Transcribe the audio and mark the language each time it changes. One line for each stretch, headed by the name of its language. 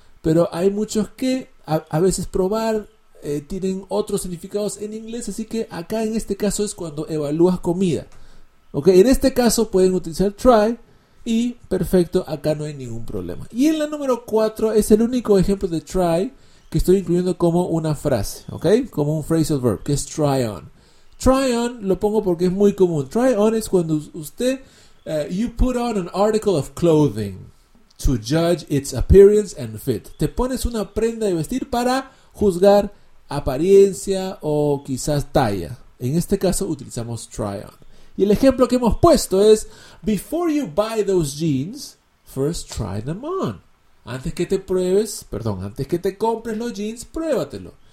Spanish: Pero hay muchos que a veces probar tienen otros significados en inglés, así que acá en este caso es cuando evalúas comida. Okay, en este caso pueden utilizar try y perfecto, acá no hay ningún problema. Y en la número 4 es el único ejemplo de try que estoy incluyendo como una frase, okay, como un phrasal verb, que es try on. Try on lo pongo porque es muy común.
English: Try on
Spanish: es cuando usted,
English: you put on an article of clothing to judge its appearance and fit.
Spanish: Te pones una prenda de vestir para juzgar apariencia o quizás talla. En este caso utilizamos try on. Y el ejemplo que hemos puesto es,
English: before you buy those jeans, first try them on.
Spanish: Antes que te compres los jeans, pruébatelo.